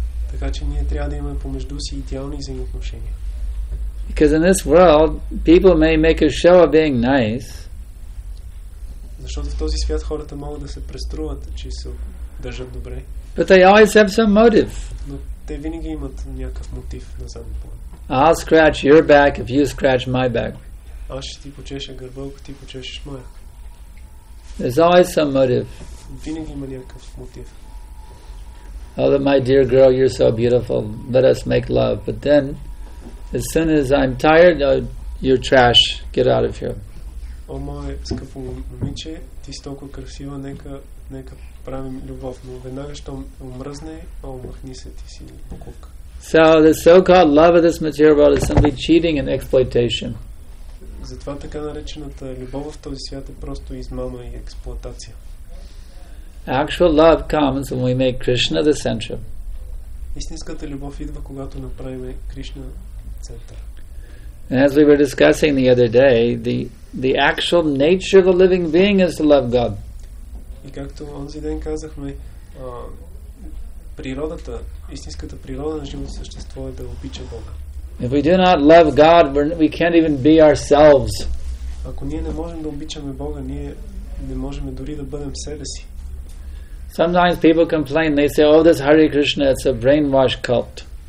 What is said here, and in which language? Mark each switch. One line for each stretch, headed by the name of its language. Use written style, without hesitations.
Bulgarian: Така че ние трябва да имаме помежду си идеални взаимоотношения.
English: Because in this world, people may make a show of being nice.
Bulgarian: Защото в този свят хората могат да се преструват, че се държат добре.
English: But they always have some motive.
Bulgarian: Но те винаги имат някакъв мотив на заден план.
English: I'll scratch your back if you scratch my back.
Bulgarian: Аз ще ти почеша гърба, ако ти почешеш моя.
English: There's always some motive.
Bulgarian: Винаги има някакъв мотив.
English: Oh, that my dear girl, you're so beautiful. Let us make love. But then, as soon as I'm tired, you're trash. Get out of here.
Bulgarian: О, мое скъпо момиче, ти си толкова красива, нека правим любов. Но веднага, щом умръзне, омахни се, ти си покупка.
English: So the so-called love of this material world is simply cheating and exploitation.
Bulgarian: Затова така наречената любов в този свят е просто измама и експлоатация.
English: Actual love comes when we make Krishna the center.
Bulgarian: Истинската любов идва, когато направим Кришна център.
English: And as we were discussing the other day, the actual nature of a living being is to love God.
Bulgarian: И както онзи ден казахме, природата, истинската природа на живото същество е да обича Бога.
English: If we do not love God, we can't even be ourselves.
Bulgarian: Ако ние не можем да обичаме Бога, ние не можем дори да бъдем себе си.
English: Sometimes people complain, they say, oh, this Hare Krishna, it's a brainwashed cult.